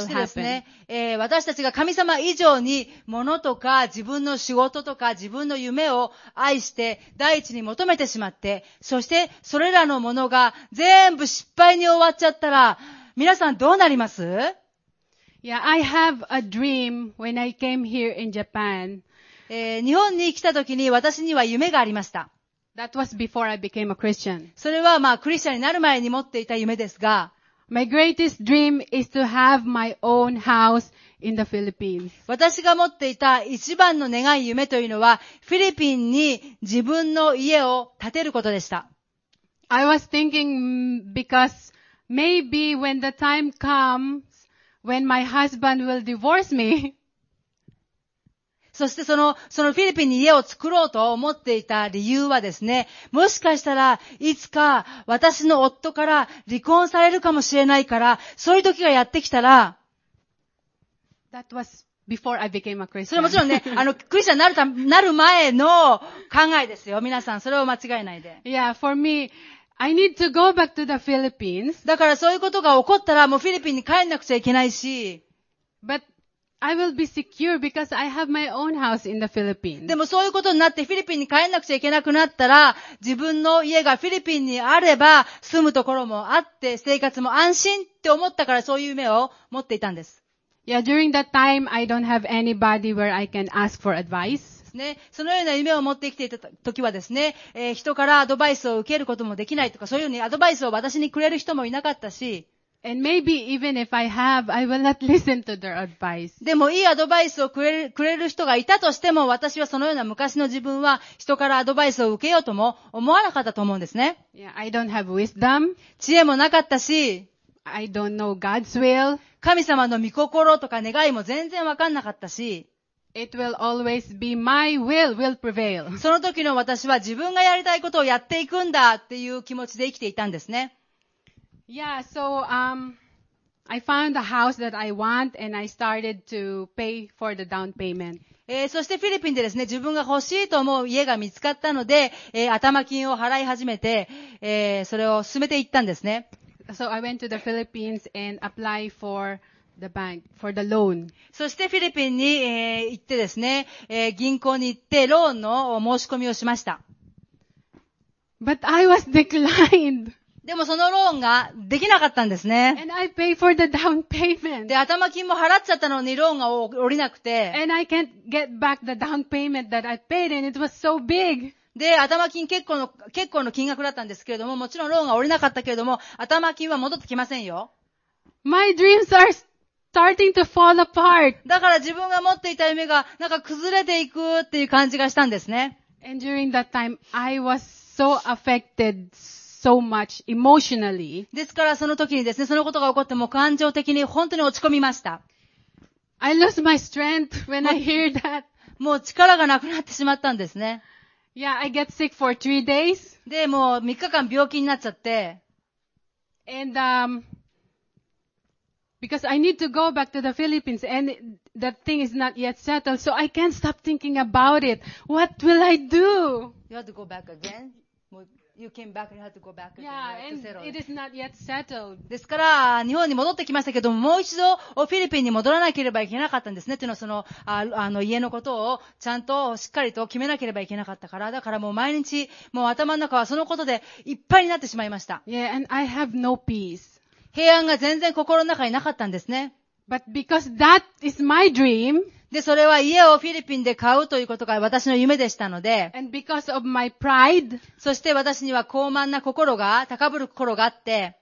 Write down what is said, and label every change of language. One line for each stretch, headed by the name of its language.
Japanese: そしてですね、私たちが神様以上に物とか自分の仕事とか自分の夢を愛して第一に求めてしまって、そしてそれらのものが全部失敗に終わっちゃったら、皆さんどうなります？
English: Yeah, I have a dream when I came here in Japan.
Japanese: 日本に来た時に私には夢がありました。
English: That was before I became a Christian.
Japanese: それはまあクリスチャンになる前に持っていた夢ですが、
English: My greatest dream is to have my own house in the Philippines.
Japanese: 私が持っていた一番の願い夢というのは、フィリピンに自分の家を建てることでした。
English: I was thinking because maybe when the time comes when my husband will divorce me.
Japanese: そしてそのフィリピンに家を作ろうと思っていた理由はですね、もしかしたらいつか私の夫から離婚されるかもしれないから、そういう時がやってきたら、
English: That was before I became a Christian.
Japanese: それはもちろんね、クリスチャンになる前の考えですよ。皆さん、それを間違えないで。
English: Yeah, for me, I need to go back to the Philippines.
Japanese: だからそういうことが起こったら、もうフィリピンに帰んなくちゃいけないし、
English: But,I will be secure because I have my own house in the Philippines.
Japanese: でもそういうことになってフィリピンに帰らなくちゃいけなくなったら、自分の家がフィリピンにあれば住むところもあって生活も安心って思ったから、そういう夢を持っていたんです。
English: Yeah, during that time, I don't have anybody where I can ask for advice.
Japanese: ね、そのような夢を持ってきていた時はですね、人からアドバイスを受けることもできないとか、そういうようにアドバイスを私にくれる人もいなかったし。
English: And maybe even if I have, I will not listen to their advice.
Japanese: でもいいアドバイスをくれる人がいたとしても、私はそのような昔の自分は人からアドバイスを受けようとも思わなかったと思うんですね。
English: Yeah, I don't have wisdom.
Japanese: 知恵もなかったし、
English: I don't know God's will.
Japanese: 神様の御心とか願いも全然わかんなかったし、
English: It will always be my will prevail.
Japanese: その時の私は自分がやりたいことをやっていくんだっていう気持ちで生きていたんですね。
English: Yeah, so, I found the house that I want and I started to pay for the down payment.
Japanese: そしてフィリピンでですね、自分が欲しいと思う家が見つかったので、頭金を払い始めて、それを進めていったんですね。
English: So I went to the Philippines and applied for the bank, for the loan.
Japanese: そしてフィリピンに、行ってですね、銀行に行ってローンの申し込みをしました。
English: But I was declined.
Japanese: でもそのローンができなかったんですね。
English: And I pay for the down payment.
Japanese: で、頭金も払っちゃったのにローンが降りなくて。
English: And I can't get back the down payment that I paid and it was so big.
Japanese: で、頭金結構の金額だったんですけれども、もちろんローンが降りなかったけれども、頭金は戻ってきませんよ。
English: My dreams are starting to fall apart.
Japanese: だから自分が持っていた夢がなんか崩れていくっていう感じがしたんですね。
English: And during that time, I was so affected. So much emotionally.
Japanese: ですからその時にですね、そのことが起こっても感情的に本当に落ち込みました。
English: I lost my strength when I hear that.
Japanese: もう力がなくなってしまったんですね。
English: Yeah, I get sick for 3 days.
Japanese: で、もう3日間病気になっちゃって。
English: And, because I need to go back to the Philippines and that thing is not yet settled, so I can't stop thinking about it. What will I do? You have to go back again? You came back and you had to go back again. Yeah, and it is not yet settled.
Japanese: ですから、日本に戻ってきましたけども、もう一度、フィリピンに戻らなければいけなかったんですね。というのは、その、家のことを、ちゃんと、しっかりと決めなければいけなかったから。だからもう毎日、もう頭の中はそのことで、いっぱいになってしまいました。
English: Yeah, and I have no peace.
Japanese: 平安が全然心の中になかったんですね。
English: But because that is my dream,
Japanese: で、それは家をフィリピンで買うということが私の夢でしたので、
English: And because of my pride,
Japanese: そして私には高慢な心が、高ぶる心があって、